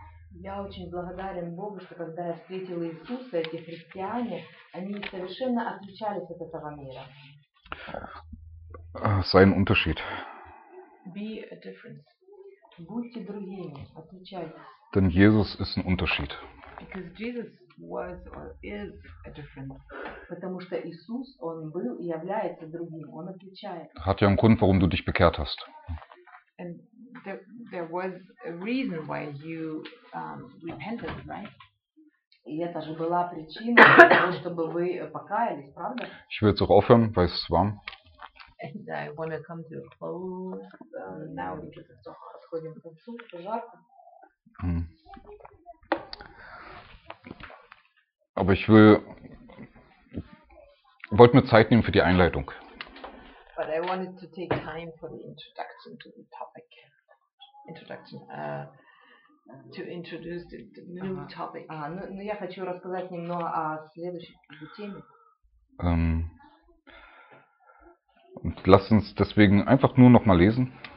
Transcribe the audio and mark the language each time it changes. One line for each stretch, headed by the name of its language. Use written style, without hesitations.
Russian: Я очень благодарен Богу, что когда я встретил Иисуса, эти христиане, они совершенно отличались от этого мира.
German: Sein Unterschied.
English: Be a difference.
Russian: Будьте другими, отличайтесь.
German: Denn Jesus ist ein Unterschied.
English: Because Jesus was or is a different.
Russian: Потому что Иисус, он был и является другим, он отличает.
German: Hat ja einen Grund, warum du dich bekehrt hast.
English: And there was a reason why you repented, right?
Russian: И это же была причина для того, чтобы вы покаялись, правда?
German: Ich will jetzt auch aufhören, weil es warm.
English: And I want to come to a close now because it's so hot.
German: Aber ich will wollte mir Zeit nehmen für die Einleitung.
English: But I wanted to take time for the introduction to the topic. Introduction to introduce the new topic.
Russian: Ну я хочу рассказать немного о следующей теме.
German: Und lass uns deswegen einfach nur noch mal lesen.